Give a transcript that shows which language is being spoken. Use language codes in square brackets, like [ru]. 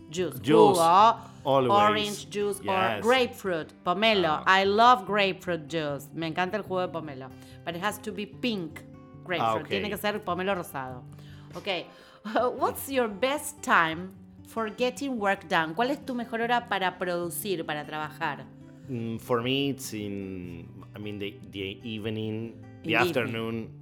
[en] Juice. Always. Orange juice, yes. Or grapefruit, pomelo. Oh. I love grapefruit juice. [es] Me encanta el jugo de pomelo. [en] But it has to be pink. Grapefruit. Okay. [es] Tiene que ser pomelo rosado. Okay. [en] What's your best time for getting work done? [es] ¿Cuál es tu mejor hora para producir, para trabajar? [en] For me, it's in, I mean, the afternoon.